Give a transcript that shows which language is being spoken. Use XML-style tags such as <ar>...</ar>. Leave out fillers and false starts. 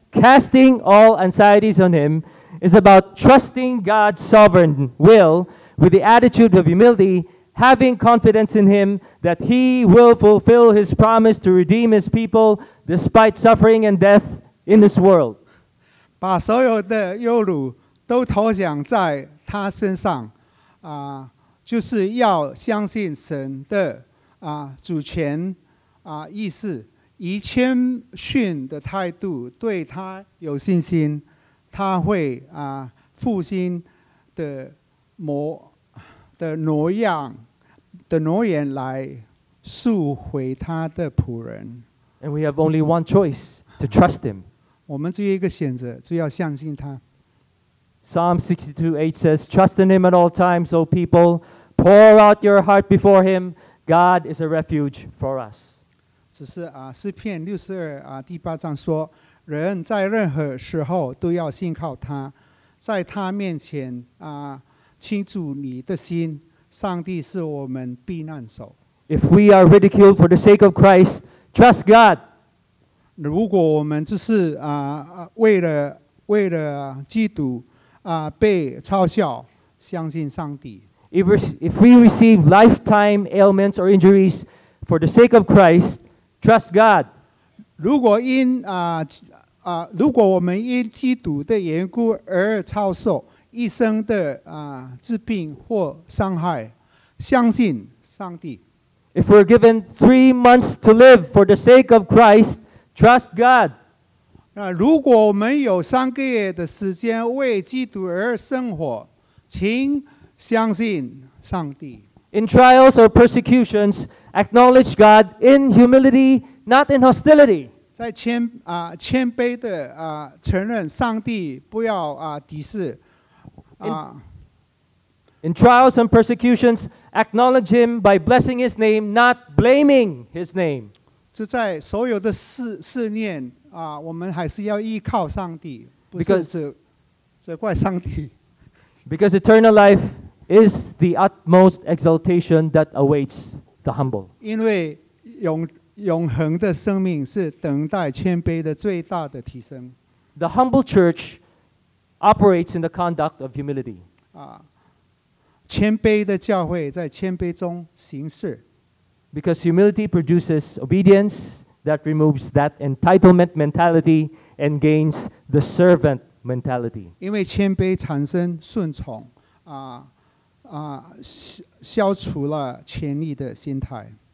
<en>casting all anxieties on him is about trusting God's sovereign will with the attitude of humility, having confidence in him that he will fulfill his promise to redeem his people despite suffering and death in this world.</en> <zh>把所有的忧虑都投向在他身上，就是要相信神的主权意识。以谦逊的态度对他有信心，他会复兴的诺言来赎回他的仆人。</zh> <en>And we have only one choice to trust him.</en> <zh>我们只有一个选择，就要相信他。</zh> <en>Psalm 62:8 says, "Trust in him at all times, O people. Pour out your heart before him. God is a refuge for us."</en> <zh>这是诗篇62第八章说，人在任何时候都要信靠他，在他面前倾注你的心。上帝是我们避难所。</zh> <en>If we are ridiculed for the sake of Christ, trust God.</en> <zh>如果我们只是为了基督被嘲笑，相信上帝。</zh> <en>If we receive lifetime ailments or injuries for the sake of Christ, trust God.</en> <zh>如果我们因基督的缘故而遭受一生的疾病或伤害，相信上帝。</zh> <en>If we're given 3 months to live for the sake of Christ, trust God.</en> <zh>那如果我们有3个月的时间为基督而生活，请相信上帝。</zh> <en>In trials or persecutions, acknowledge God in humility, not in hostility.</en> <zh>在谦卑的承认上帝，不要敌视。</zh> <en>In trials and persecutions, acknowledge him by blessing his name, not blaming his name.</en> <zh>就在所有的试炼我们还是要依靠上帝，不是责怪上帝。</zh> <en>Because eternal life is the utmost exaltation that awaits the humble.</en> <zh>因为永恒的生命是等待谦卑的最大的提升。</zh> <en>The humble church operates in the conduct of humility.</en> <zh>谦卑的教会在谦卑中行事。</zh> <en>Because humility produces obedience that removes that entitlement mentality and gains the servant mentality.</en> <zh>因为谦卑产生顺从，消除了权力的心态。</zh>